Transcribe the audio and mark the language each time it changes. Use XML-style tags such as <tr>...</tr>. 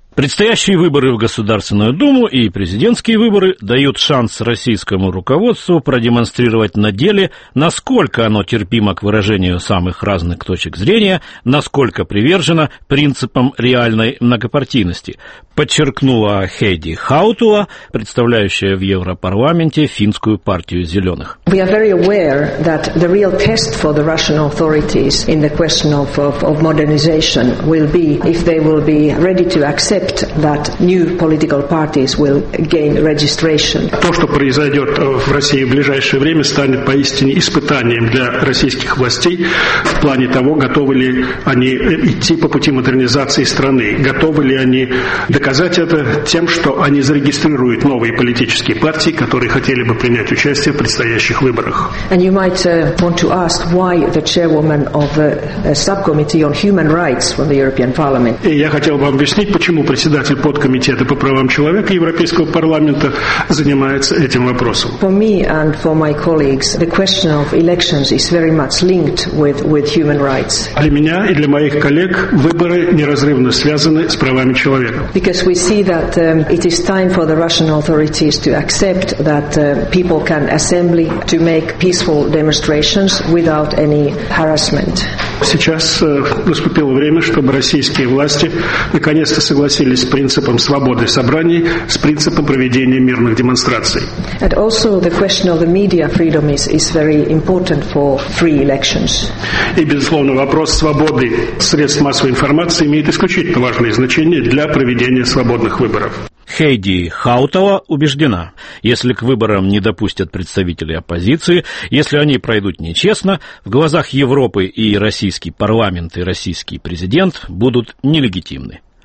<ru>Предстоящие выборы в Государственную Думу и президентские выборы дают шанс российскому руководству продемонстрировать на деле, насколько оно терпимо к выражению самых разных точек зрения, насколько привержено принципам реальной многопартийности, подчеркнула Хейди Хаутула, представляющая в Европарламенте финскую партию «Зеленых».</ru> <en>We are very aware that the real test for the Russian authorities in the question of modernization will be if they will be ready to accept that new political parties will gain registration.</en> <ru>То, что произойдет в России в ближайшее время, станет поистине испытанием для российских властей в плане того, готовы ли они идти по пути модернизации страны, готовы ли они доказать это тем, что они зарегистрируют новые политические партии, которые хотели бы принять участие в предстоящих выборах.</ru> <en>And you might want to ask why the chairwoman of the subcommittee on human rights from the European Parliament.</en> <ru>И я хотел бы объяснить, почему председатель подкомитета по правам человека Европейского парламента занимается этим вопросом.</ru> <en>For me and for my colleagues, the question of elections is very much linked with human rights.</en> <ru>Для меня и для моих коллег выборы неразрывно связаны с правами человека.</ru> <en>Because we see that it is time for the Russian authorities to accept that people can assemble to make peaceful demonstrations without any harassment.</en> <ru>Сейчас наступило время, чтобы российские власти наконец-то согласились с принципом свободы собраний, с принципом проведения мирных демонстраций.</ru> <en>And also the question of the media freedom is very important for free elections.</en> <ru>И, безусловно, вопрос свободы средств массовой информации имеет исключительно важное значение для проведения свободных выборов. Хейди Хаутала убеждена, если к выборам не допустят представителей оппозиции, если они пройдут нечестно, в глазах Европы и российский парламент, и российский президент будут нелегитимны.</ru>